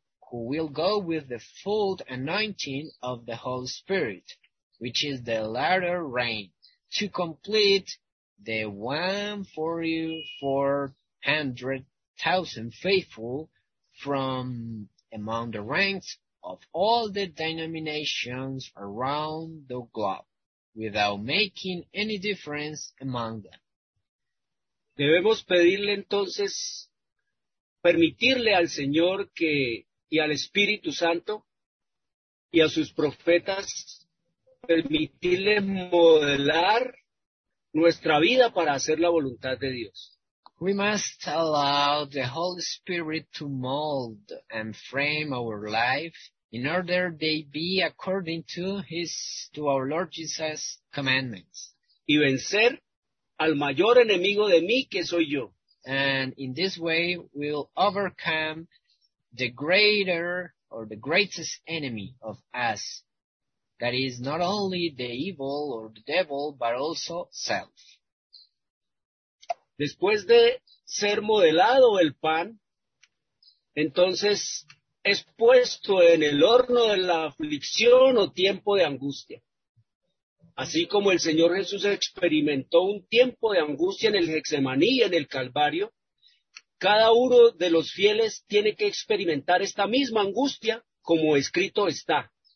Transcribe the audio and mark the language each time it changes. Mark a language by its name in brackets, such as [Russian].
[English] who will go with the full anointing of the Holy Spirit, which is the latter rain, to complete the 144,000 faithful from among the ranks of all the denominations around the globe, without making any difference among them. [Spanish] Debemos pedirle entonces, permitirle al Señor que y al Espíritu Santo y a sus profetas permitirle modelar nuestra vida para hacer la voluntad de Dios. [English] We must allow the Holy Spirit to mold and frame our life in order they be according to His, to our Lord Jesus' commandments. [Spanish] Y vencer al mayor enemigo de mí, que soy yo. [English] And in this way we'll overcome the greater or the greatest enemy of us, that is not only the evil or the devil, but also self. [Spanish] Después de ser modelado el pan, entonces es puesto en el horno de la aflicción o tiempo de angustia. Así como el Señor Jesús experimentó un tiempo de angustia en el Getsemaní y en el Calvario, cada uno de los fieles tiene que experimentar esta misma angustia, como escrito está.